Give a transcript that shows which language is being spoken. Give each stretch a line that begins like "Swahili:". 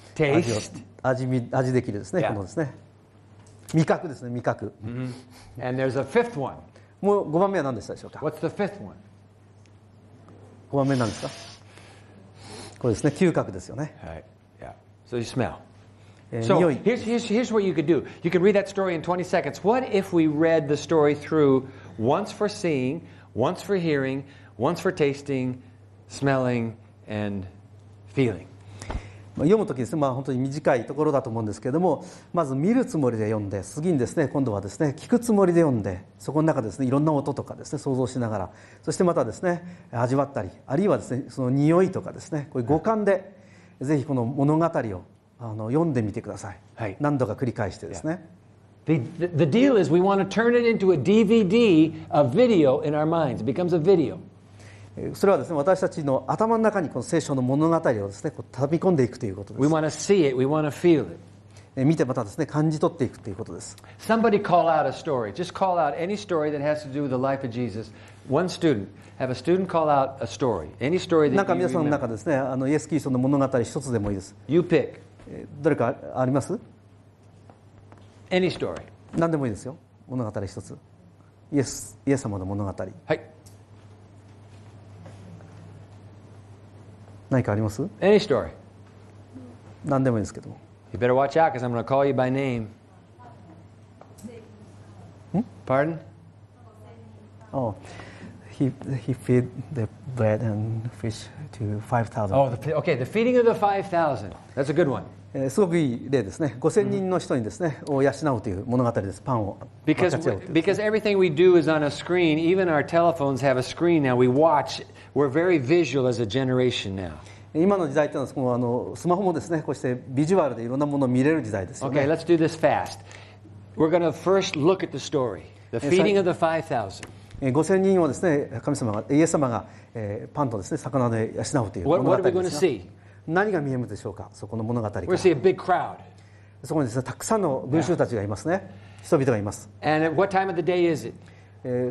English: Taste.
Japanese: 味できるですね、yeah. このですね。味覚ですね、味覚。
English: Mm-hmm. And there's a fifth one.
Japanese: もう5番目は何でしたでしょうか。
English: What's the fifth one?
Japanese: 5番目なんですか。これですね、嗅覚ですよね。
English: はい。Yeah. So you smell. So here's what you could do. You could read that story in 20 seconds. What if we read the story through once for seeing, once for hearing, once for tasting, smelling, and feeling?
Japanese: 読むときですね、まあ、本当に短いところだと思うんですけれども、まず見るつもりで読んで、次にですね、今度はですね、聞くつもりで読んで、そこの中ですね、いろんな音とかですね、想像しながら、そしてまたですね、味わったり、あるいはですね、その匂いとかですね、こういう五感で、はい、ぜひこの物語を読んでみてください。はい、何度か繰り返してですね。
English: Yeah. The deal is we want to turn it into a DVD, a video in our minds. It becomes a video.
Japanese: それはですね、私たちの頭の中にこの聖書の物語をですね、こう畳み込んでいくということです。
English: We want to see it. We want to feel it.
Japanese: 見てまたですね、感じ取っていくということです。
English: Somebody call out a story. Just call out any story that has to do with the life of Jesus. One student. Have a student call out a story. Any story that you remember.
Japanese: なんか皆さんの中ですね、あのイエス・キリストの物語一つでもいいです。
English: You pick.
Japanese: どれかあります
English: ？Any story.
Japanese: 何でもいいですよ。物語一つ。イエス様の物語。はい。何かあります？
English: Any story.
Japanese: 何でもいいですけども。
English: You better watch out, because I'm going to call you by name. Pardon? Oh, he feed the bread and fish to 5,000. Oh, okay, the feeding of the 5,000. That's a good one.
Japanese: すごくいい例ですね。 5,000人の人にですね、を養うという物語です。パンを分かち合うというですね。
English: Because everything we do is on a screen. Even our telephones have a screen now. We watch... We're very visual as a generation now.
Japanese: 今の時代というのは、スマホもですね、こうしてビジュアルでいろんなものを見れる時代ですよね。
English: Okay, let's do this fast. We're going to first look at the story. The feeding of the 5,000.
Japanese: 5,000 人をですね、神様が、イエス様が、パンとですね、魚で養うという物語ですよ。何が見えるでしょうか、そこの物語から。
English: We're going to see a big crowd.
Japanese: そこにですね、たくさんの群衆たちがいますね。Yeah. 人々がいます。
English: And at what time of the day is it?